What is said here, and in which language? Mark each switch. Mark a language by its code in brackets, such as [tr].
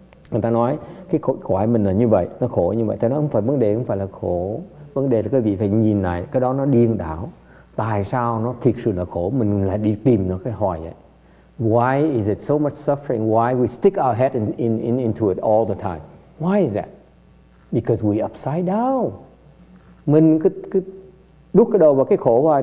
[vi] Người ta nói cái quả mình là như vậy, nó khổ như vậy. Ta nói không phải vấn đề, không phải là khổ. Vấn đề là quý vị phải nhìn lại, cái đó nó điên đảo. Tại sao nó thiệt sự là khổ? Mình lại đi tìm nó cái hỏi vậy. [en] Why is it so much suffering? Why we stick our head into it all the time? Why is that? Because we upside down. [vi] Mình cứ đút cái đầu vào cái khổ hoài.